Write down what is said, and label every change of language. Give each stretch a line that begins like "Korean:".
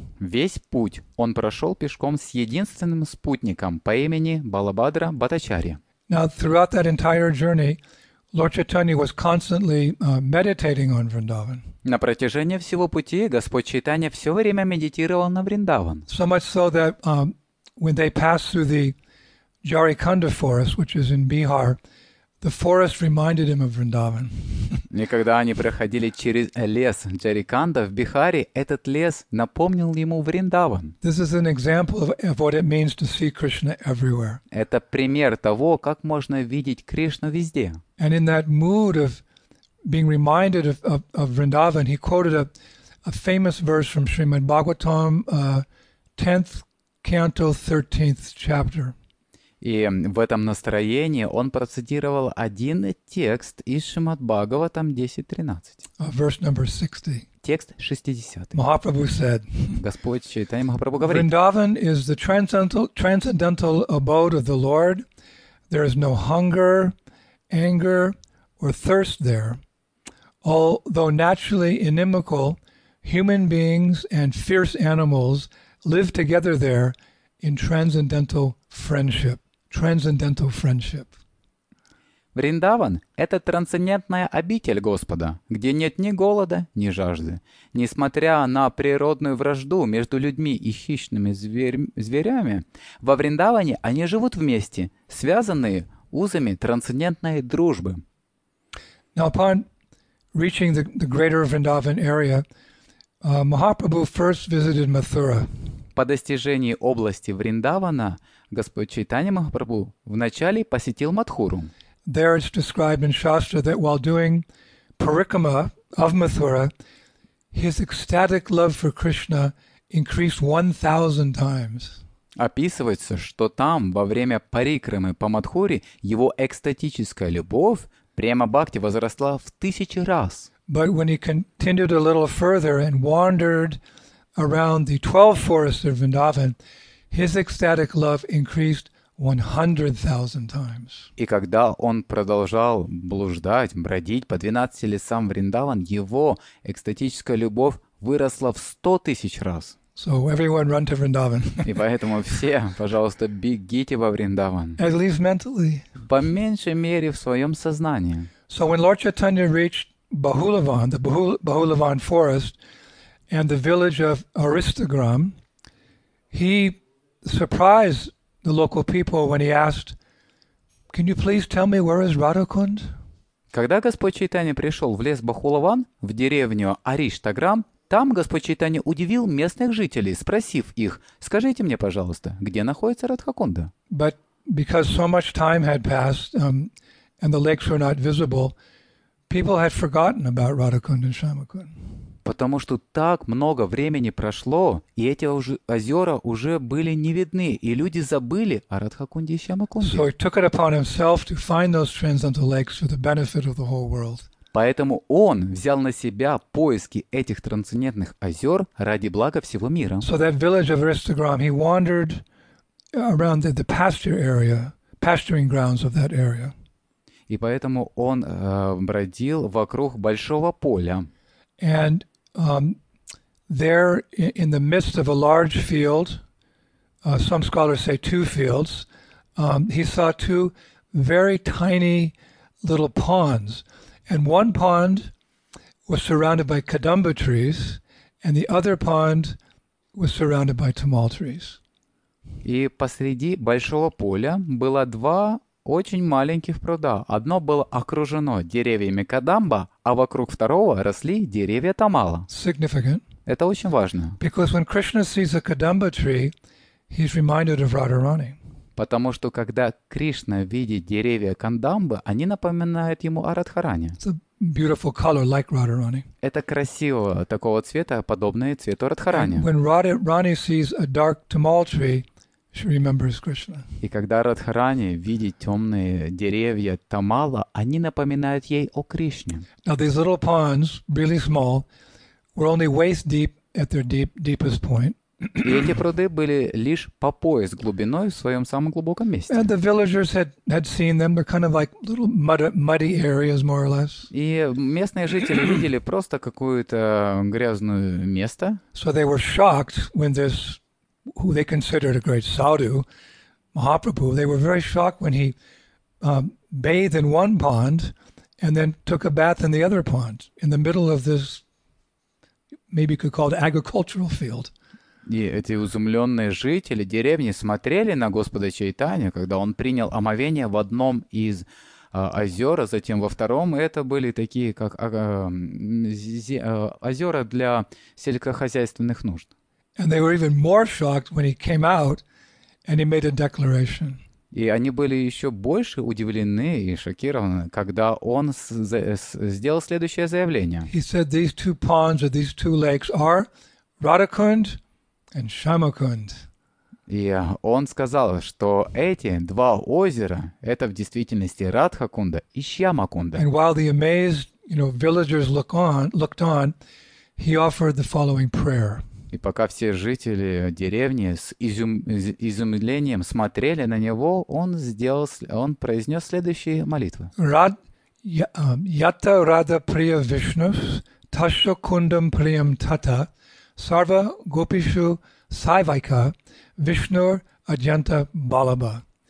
Russian: Весь путь он прошел пешком с единственным спутником по имени Балабхадра Бхаттачарья.
English: Now, throughout that entire journey, Lord Chaitanya was constantly meditating on Vrindavan.
Russian: На протяжении всего пути Господь Чайтанья все время медитировал на Вриндаван.
English: So much so that when they passed through the Jharikhanda forest, which is in Bihar, the forest reminded him of Vrindavan.
Russian: И когда они проходили через лес Джариканда в Бихаре, этот лес напомнил ему Вриндаван.
English: This is an example of what it means to see Krishna everywhere.
Russian: Это пример того, как можно видеть Кришну везде.
English: And in that mood of being reminded of Vrindavan, he quoted a famous verse from Srimad Bhagavatam, 10th canto, 13th chapter.
Russian: И в этом настроении он процитировал один текст из Шримад Бхагаватам 10.13.
English: Verse number 60.
Russian: Текст 60.
English: Махапрабху said,
Russian: Господь Чайтанья Махапрабху говорит,
English: Vrindavan is the transcendental abode of the Lord. There is no hunger, anger, or thirst there. Although naturally inimical, human beings and fierce animals live together there in transcendental friendship. Transcendental friendship.
Russian: Вриндаван — это трансцендентная обитель Господа, где нет ни голода, ни жажды. Несмотря на природную вражду между людьми и хищными зверями, во Вриндаване они живут вместе, связанные узами трансцендентной дружбы.
English: Now upon reaching the greater Vrindavan area, Mahaprabhu first visited Mathura.
Russian: По достижении области Вриндавана Господь Чайтанья Махапрабху вначале посетил Матхуру.
English: There it's described in Shastra that while doing parikrama of Mathura, his ecstatic love for Krishna increased 1,000 times.
Russian: Описывается, что там, во время парикрамы по Матхуре, его экстатическая любовь, према-бхакти, возросла в 1000 раз.
English: But when he continued a little further and wandered around the 12 forests of Vrindavan, his ecstatic love increased 100,000 times.
Russian: И когда он продолжал блуждать, бродить по 12 лесам Вриндаван, его экстатическая любовь выросла в 100,000 раз.
English: So everyone run to Vrindavan.
Russian: И поэтому все, пожалуйста, бегите во Вриндаван.
English: At least mentally.
Russian: По меньшей мере в своем сознании.
English: So when Lord Chaitanya reached Bahulavan, the Bahulavan forest, and the village of Aristagram, he surprised the local people when he asked, "Can you please tell me where is Radhakund?"
Russian: Когда Господь Чайтанья пришел в лес Бахулаван, в деревню Ариштаграм, там Господь Чайтанья удивил местных жителей, спросив их, «Скажите мне, пожалуйста, где находится Радхакунда?»
English: But because so much time had passed, and the lakes were not visible, people had forgotten about Radhakunda and Shyamakunda.
Russian: Потому что так много времени прошло, и эти озера уже были не видны, и люди забыли о Радхакунде и Шьямакунде.
English: So he took it upon himself to find those transcendental lakes for the benefit of the whole world.
Russian: Поэтому он взял на себя поиски этих трансцендентных озер ради блага всего мира.
English: So that village of Aristogram, he wandered around the pasture area, pasturing grounds of that area.
Russian: И поэтому он бродил вокруг большого поля.
English: And there, in the midst of a large field, some scholars say two fields, he saw two very tiny little ponds. And one pond was surrounded by kadamba trees, and the other pond was surrounded by tamal trees.
Russian: И посреди большого поля было два очень маленьких пруда. Одно было окружено деревьями кадамба, а вокруг второго росли деревья тамала.
English: Significant.
Russian: Это очень важно.
English: Because when Krishna sees a kadamba tree, he's reminded of Radharani.
Russian: Потому что когда Кришна видит деревья кандамбы, они напоминают ему о Радхаране.
English: It's a beautiful color, like Radharani.
Russian: Это красиво, такого цвета, подобное цвету Радхарани.
English: When Radharani sees a dark tamal tree, she remembers Krishna.
Russian: И когда Радхарани видит темные деревья тамала, они напоминают ей о Кришне.
English: Now these little ponds, really small, were only waist deep at their deepest point.
Russian: И эти пруды были лишь по пояс глубиной в своем самом глубоком месте.
English: And the villagers had seen them. They're kind of like little muddy areas, more or less.
Russian: И местные жители видели просто какое-то грязное место.
English: So they were shocked when this, who they considered a great sadhu, Mahaprabhu, they were very shocked when he bathed in one pond and then took a bath in the other pond in the middle of this, maybe you could call it agricultural field.
Russian: И эти изумленные жители деревни смотрели на Господа Чайтанья, когда он принял омовение в одном из озер, а затем во втором. Это были такие, как озера для сельскохозяйственных нужд.
English: And they were even more shocked when he came out and he made a declaration.
Russian: И они были еще больше удивлены и шокированы, когда он сделал следующее заявление.
English: He said these two ponds or these two lakes are Radhakund and Shyamakund.
Russian: И он сказал, что эти два озера это в действительности Радхакунда и Шьямакунда.
English: And while the amazed, you know, villagers looked on, he offered the following prayer.
Russian: И пока все жители деревни с изумлением смотрели на него, он произнес следующие молитвы.
Sanskrit: Ята рада прия вишну, таша кундам прием тата, сарва гопишу сайвайка, вишнур аджанта балаба.